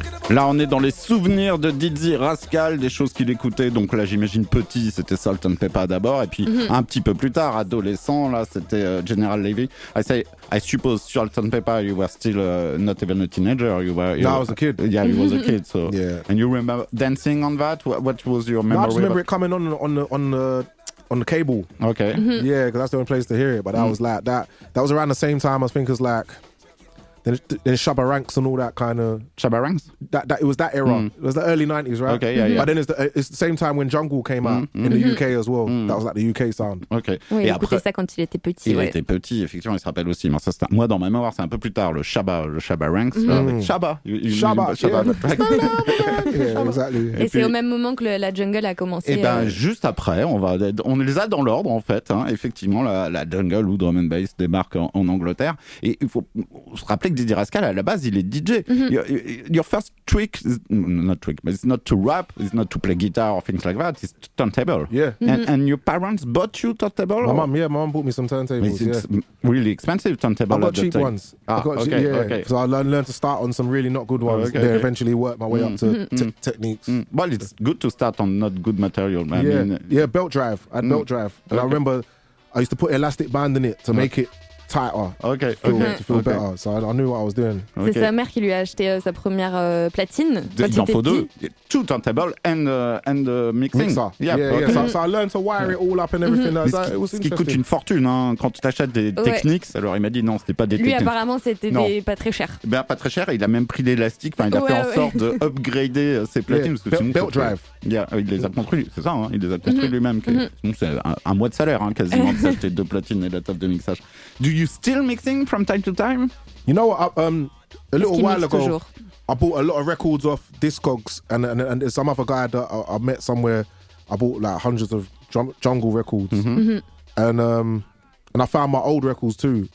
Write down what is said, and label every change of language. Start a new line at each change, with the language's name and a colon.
French: Là, on est dans les souvenirs de Dizzy Rascal, des choses qu'il écoutait. Donc là, j'imagine petit, c'était Salt and Pepper d'abord. Et puis, un petit peu plus tard, adolescent, là, c'était General Levy.
English: I suppose Salt and Pepper, you were still not even a teenager. I was a kid. Yeah, you was a kid. So, yeah. And you remember dancing on that? What was your memory? No, I just remember it coming on the cable. Okay. Yeah, because that's the only place to hear it. But that was like that was around the same time, I think, as like... Then Shabba Ranks and all that kind of... Shabba Ranks? That it was that era. It was the early 90s, right? Okay, yeah. But then it's the same time when Jungle came out in the UK as well. That was like the UK sound. Okay.
French: Oui, écoutez ça quand il était petit. Il était petit, effectivement, il se rappelle aussi. Mais ça, moi, dans ma mémoire, c'est un peu plus tard, le Shabba Ranks. Shabba. Et puis, c'est au même moment que la Jungle a commencé. Et bien, juste après, on les a dans l'ordre, en fait. Hein. Effectivement, la Jungle ou Drum and Bass débarque en Angleterre. Et il faut se rappeler que Dizzy Rascal, à la base, il est DJ.
English: Your first trick, but it's not to rap, it's not to play guitar or things like that, it's turntable. Yeah. And your parents bought you turntable? My mom bought me some turntables. It's really expensive turntable. I got cheap ones. Okay. So I learned to start on some really not good ones. Oh, okay, then eventually worked my way up to techniques. Well, it's good to start on not good material, man. Yeah, belt drive. I had belt drive. And I remember I used to put elastic band in it to make it tighter. Okay. To feel better. So I knew what I was doing.
French: C'est sa mère qui lui a acheté sa première platine. Il en faut deux.
English: Two turntables and mixing. Mixer. So I learned to wire it all up and everything. Mm-hmm. It was interesting.
French: Ce qui coûte une fortune hein, quand tu t'achètes des techniques. Alors il m'a dit non, c'était pas des techniques. Lui, apparemment, c'était pas très cher. Ben, pas très cher. Il a même pris l'élastique. Enfin, il a fait en sorte d'upgrader ses platines.
English: Yeah. Belt drive.
French: Il les a construits. C'est ça. Il les a construits lui-même. C'est un mois de salaire quasiment de s'acheter deux platines et la table de mixage.
English: Do you still mixing from time to time? You know what? A little while ago, I bought a lot of records off Discogs and there's some other guy that I met somewhere. I bought like hundreds of Jungle records. And I found my old records too.